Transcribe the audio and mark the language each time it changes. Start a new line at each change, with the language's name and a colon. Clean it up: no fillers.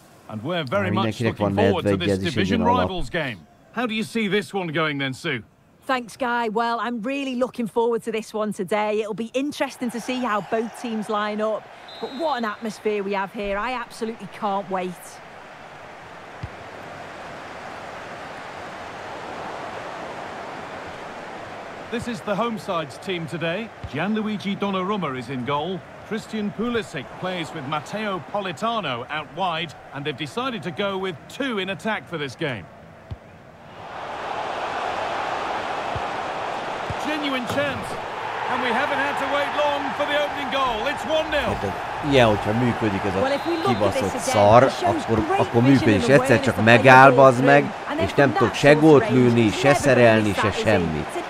Hungarian: Mindenkinek van nedvegyezés.
English: Thanks, Guy. Well, I'm really looking forward to this one today. It'll be interesting to see how both teams line up. But what an atmosphere we have here. I absolutely can't wait. This is the home side's team today. Gianluigi Donnarumma is in goal. Christian Pulisic plays with Matteo Politano out wide. And they've decided to go with 2 in attack for this game. Genuine chance, and we haven't had to wait long for the opening goal. It's 1-0.
Hungarian: Yeah, hogyha működik ez a kibaszott szar, akkor működik, és egyszer csak megáll, bazd meg, és nem tudok se gólt lőni, se szerelni, se semmit.